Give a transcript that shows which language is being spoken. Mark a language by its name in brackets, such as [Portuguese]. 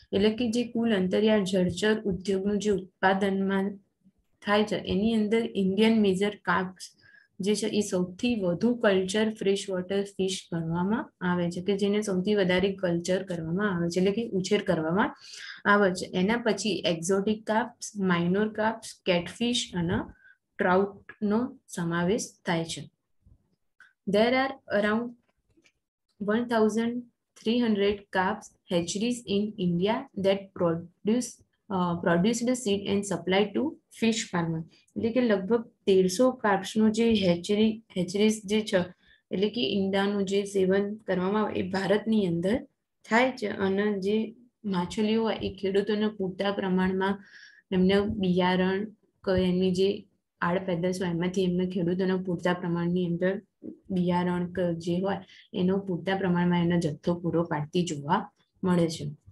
[Gujarati] એટલે કે જે કુલ અંતરિયાળ જળચર ઉદ્યોગનું જે ઉત્પાદનમાં થાય છે એની અંદર ઇન્ડિયન મેજર કાર્પ્સ જે છે એ સૌથી વધુ કલ્ચર ફ્રેશ વોટર ફિશ ગણવામાં આવે છે, કે જેને સૌથી વધારે કલ્ચર કરવામાં આવે છે એટલે કે ઉછેર કરવામાં આવે છે. એના પછી એક્ઝોટિક કાર્પ્સ, માઇનોર કાર્પ્સ, કેટફિશ અને ટ્રાઉટનો સમાવેશ થાય છે. [English] There are around 1,300 carps hatcheries in India that produce the seed and supply to fish farmers. [Gujarati] એટલે કે લગભગ 1,300 કાર્પ્સનું જે હેચરીઝ જે છે એટલે કે ઈંડાનું જે સેવન કરવામાં આવે એ ભારતની અંદર થાય છે અને જે માછલીઓ હોય એ ખેડૂતોને પૂરતા પ્રમાણમાં એમને બિયારણ એમની જે આડ પેદાશ હોય એમાંથી એમને ખેડૂતોને પૂરતા પ્રમાણની અંદર બિયારણ જે હોય એનો પૂરતા પ્રમાણમાં એનો જથ્થો પૂરો પાડતી જોવા મળે છે.